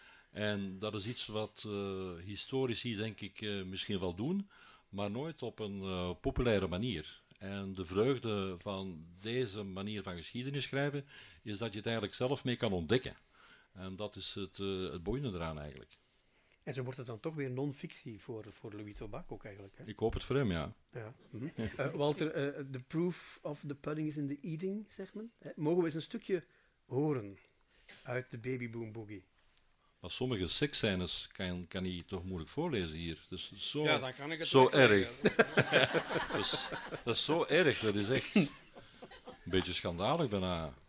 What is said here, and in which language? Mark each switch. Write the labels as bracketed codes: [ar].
[nl] En dat is iets wat historici, denk ik, misschien wel doen, maar nooit op een populaire manier. En de vreugde van deze manier van geschiedenis schrijven, is dat je het eigenlijk zelf mee kan ontdekken. En dat is het boeiende eraan eigenlijk. En zo wordt het dan toch weer non-fictie voor Louis Tobback ook eigenlijk. Hè? Ik hoop het voor hem, ja. Ja. Mm-hmm. [en] Walter, the proof of the pudding is in the eating, [nl] zeg men. Mogen we eens een stukje horen uit de Babyboom Boogie? Maar sommige seksscènes kan hij toch moeilijk voorlezen hier. Dus zo, ja, dan kan ik het zo erg. dat is zo erg, dat is echt een beetje schandalig bijna.